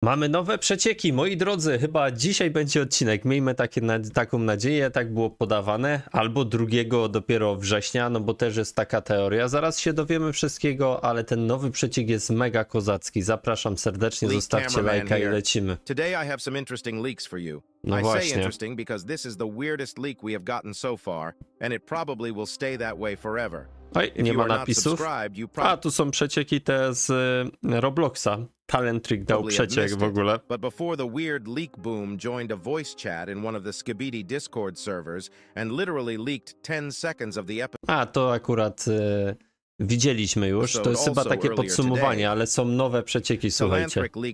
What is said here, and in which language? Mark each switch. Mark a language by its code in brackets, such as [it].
[pl] Mamy nowe przecieki, moi drodzy. Chyba dzisiaj będzie odcinek. Miejmy taką nadzieję, tak było podawane. Albo 2 dopiero września, no bo też jest taka teoria. Zaraz się dowiemy wszystkiego, ale ten nowy przeciek jest mega kozacki. Zapraszam serdecznie, zostawcie lajka i lecimy. [en] Today I have some interesting leaks for you. [pl] No właśnie. [en] I say interesting because this is the weirdest leak we have gotten so far and it probably will stay that way forever. [pl] Oj, nie ma napisów. A, tu są przecieki te z Robloxa. Talent Trick dał przeciek w ogóle. [en] But before the weird leak boom joined a voice chat in one of the Skibidi Discord servers and literally leaked 10 seconds of the episode. [pl] A, to akurat widzieliśmy już. To jest chyba takie podsumowanie, ale są nowe przecieki, słuchajcie.